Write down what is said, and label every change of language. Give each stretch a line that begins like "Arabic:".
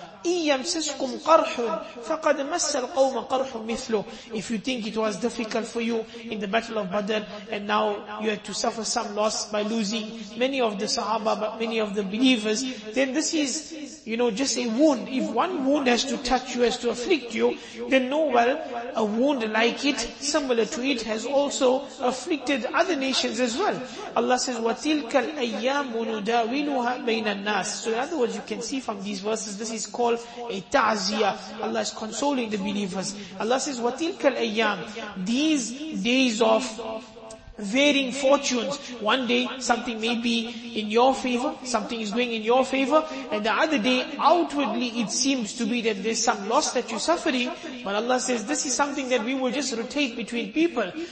Arabic: إِن يَمْسَسْكُمْ قَرْحٌ فَقَدْ مَسَّ الْقَوْمَ قَرْحٌ مِثْلُهُ
English: If you think it was difficult for you in the Battle of Badr and now you had to suffer some loss by losing many of the Sahaba, but many of the believers, then this is you know, just a wound. If one wound has to touch you, has to afflict you, then know well, a wound like it, similar to it, has also afflicted other nations as well. Allah says,
Arabic: وَتِلْكَ الْأَيَّامُ نُدَاوِلُهَا بَيْنَ النَّاسِ.
English: So in other words, you can see from these verses, this is called a ta'ziyah. Allah is consoling the believers. Allah says,
Arabic: وَتِلْكَ الْأَيَّامُ.
English: These days of varying fortunes. One day something may be in your favor, something is going in your favor, and the other day outwardly it seems to be that there's some loss that you're suffering, but Allah says this is something that we will just rotate between people.